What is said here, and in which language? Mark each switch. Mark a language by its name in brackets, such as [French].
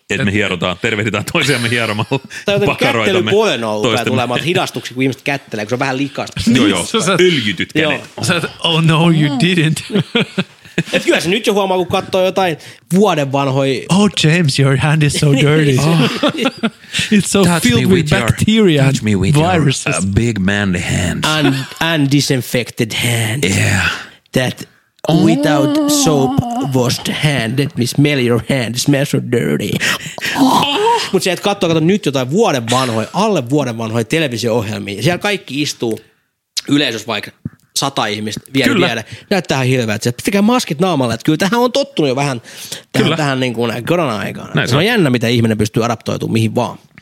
[Finnish] Että me hierotaan, tervehditään toisiamme hieromalla. Tai jotenkin kättely puolen on ollut tulemaan hidastuksi, kun ihmiset kättelee, kun se on vähän likasta. Joo, öljytyt kädet. [English] Oh no, you didn't. [Finnish] Et kyllä se nyt jo huomaa, kun katsoo jotain vuoden vanhoi. [English] Oh James, your hand is so dirty. It's so touch filled with bacteria and viruses. Touch me with viruses. Your big manly hands. And undisinfected hand. Yeah. That without soap washed hand, that means smell your hand, smell so dirty. [Finnish] Mutta se, että katsoo nyt jotain vuoden vanhoja, alle vuoden vanhoja televisio-ohjelmia, siellä kaikki istuu yleisössä vaikka 100 ihmistä vielä. Näyttää ihan hirveä, että pitäkää maskit naamalle, että kyllä tähän on tottunut jo vähän tähän niin kuin korona-aikaan. Näin, se on jännä, mitä ihminen pystyy adaptoitumaan mihin vaan.